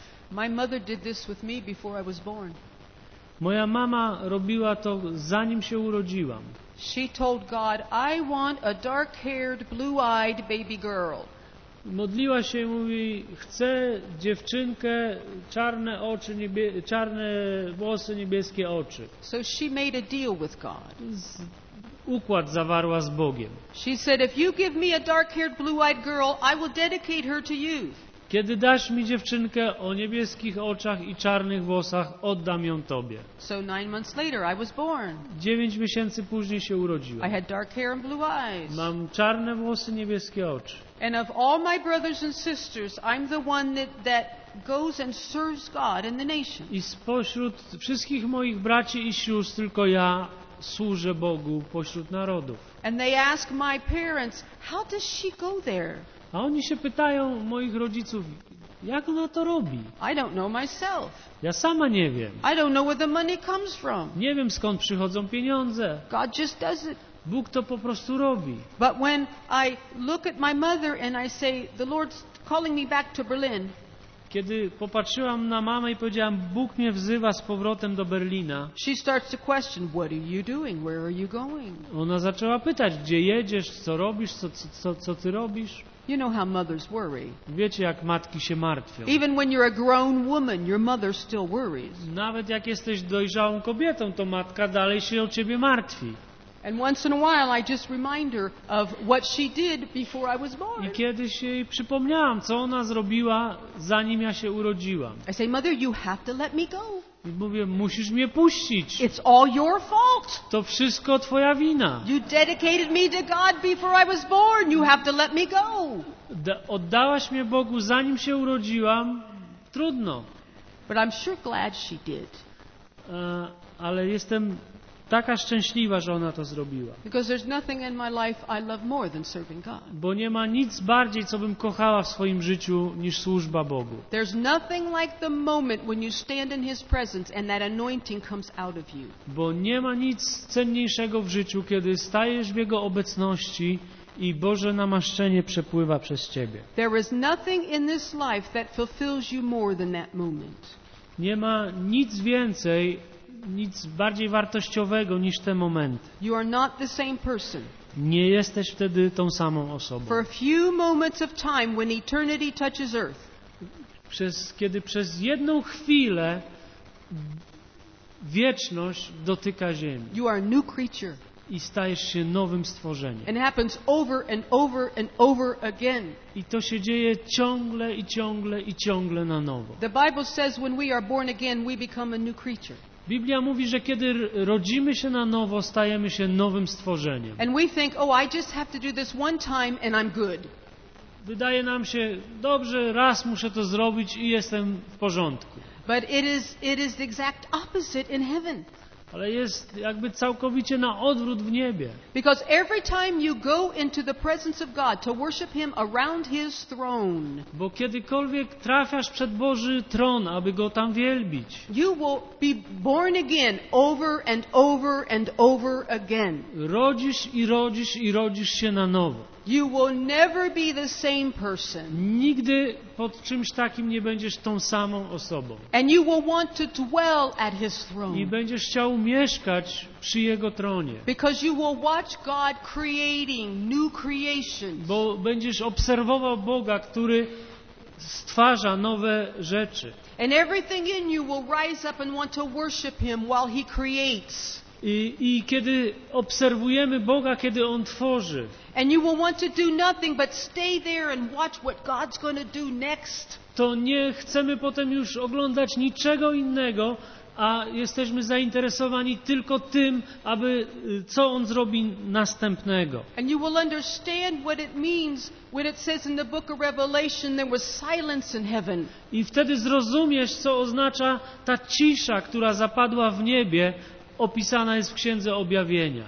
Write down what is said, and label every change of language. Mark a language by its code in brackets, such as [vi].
[en] My mother did this with me before I was born. [pl] Moja mama robiła to zanim się urodziłam. [en] She told God, I want a dark-haired, blue-eyed baby girl. [pl] Modliła się i mówi, chcę dziewczynkę, czarne oczy, czarne włosy, niebieskie oczy. [en] So she made a deal with God. [pl] Układ zawarła z Bogiem. [en] She said, if you give me a dark-haired, blue-eyed girl, I will dedicate her to you. [pl] Kiedy dasz mi dziewczynkę o niebieskich oczach i czarnych włosach, oddam ją Tobie. [en] So 9 months later I was born. [pl] 9 miesięcy później się urodziłem. [en] I had dark hair and blue eyes. [pl] Mam czarne włosy, niebieskie oczy. [en] And of all my brothers and sisters, I'm the one that goes and serves God in the nation. [pl] I spośród wszystkich moich braci i sióstr tylko ja służę Bogu pośród narodów. [en] And they ask my parents, how does she go there? [pl] A oni się pytają moich rodziców, jak ona to robi? [en] I don't know myself. [pl] Ja sama nie wiem. [en] I don't know where the money comes from. [pl] Nie wiem, skąd przychodzą pieniądze. [en] God just does it. [pl] Bóg to po prostu robi. [en] But when I look at my mother and I say, the Lord's calling me back to Berlin. [pl] Kiedy popatrzyłam na mamę i powiedziałam, Bóg mnie wzywa z powrotem do Berlina. [en] She starts to question, what are you doing? Where are you going? [pl] Ona zaczęła pytać, gdzie jedziesz, co robisz, co ty robisz? [en] You know how mothers worry. [pl] Wiecie, jak matki się martwią. [en] Even when you're a grown woman, your mother still worries. [pl] Nawet jak jesteś dojrzałą kobietą, to matka dalej się o ciebie martwi. [en] And once in a while I just remind her of what she did before I was born. [pl] I kiedyś jej przypomniałam, co ona zrobiła, zanim ja się urodziłam. [en] I say, mother, you have to let me go. [pl] I mówię, musisz mnie puścić. [en] It's all your fault. [pl] To wszystko twoja wina. [en] You dedicated me to God before I was born. You have to let me go. [pl] Oddałaś mnie Bogu, zanim się urodziłam. Trudno. [en] But I'm sure glad she did. [pl] Ale jestem taka szczęśliwa, że ona to zrobiła. [en] Because there's nothing in my life I love more than serving God. [pl] Bo nie ma nic bardziej, co bym kochała w swoim życiu, niż służba Bogu. [en] There's nothing like the moment when you stand in His presence and that anointing comes out of you. [pl] Bo nie ma nic cenniejszego w życiu, kiedy stajesz w Jego obecności i Boże namaszczenie przepływa przez ciebie. [en] There is nothing in this life that fulfills you more than that moment. [pl] Nie ma nic więcej, nic bardziej wartościowego niż te momenty. [en] You are not the same person. [pl] Nie jesteś wtedy tą samą osobą. [en] For a few moments of time when eternity touches earth. [pl] Kiedy przez jedną chwilę wieczność dotyka ziemi. [en] You are a new creature. [pl] I stajesz się nowym stworzeniem. [en] And it happens over and over and over again. [pl] I to się dzieje ciągle i ciągle i ciągle na nowo. [en] The Bible says when we are born again we become a new creature. [pl] Biblia mówi, że kiedy rodzimy się na nowo, stajemy się nowym stworzeniem. [en] And we think, oh, I just have to do this one time and I'm good. [pl] Wydaje nam się, dobrze, raz muszę to zrobić i jestem w porządku. [en] But it is the exact opposite in heaven. [pl] Ale jest jakby całkowicie na odwrót w niebie. [en] Because every time you go into the presence of God to worship him around his throne. [pl] Bo kiedykolwiek trafiasz przed Boży tron, aby go tam wielbić. [en] You will be born again over and over and over again. [pl] Rodzisz i rodzisz i rodzisz się na nowo. [en] You will never be the same person. [pl] Nigdy pod czymś takim nie będziesz tą samą osobą. [en] And you will want to dwell at his throne. [pl] I będziesz chciał mieszkać przy jego tronie. [en] Because you will watch God creating new creations. [pl] Bo będziesz obserwował Boga, który stwarza nowe rzeczy. [en] And everything in you will rise up and want to worship him while he creates. [pl] I kiedy obserwujemy Boga, kiedy On tworzy. [en] And you will want to do nothing but stay there and watch what God's going to do next. [pl] To nie chcemy potem już oglądać niczego innego, a jesteśmy zainteresowani tylko tym, aby co On zrobi następnego. [en] And you will understand what it means when it says in the book of Revelation there was silence in heaven. [pl] I wtedy zrozumiesz, co oznacza ta cisza, która zapadła w niebie. Opisana jest w Księdze Objawienia.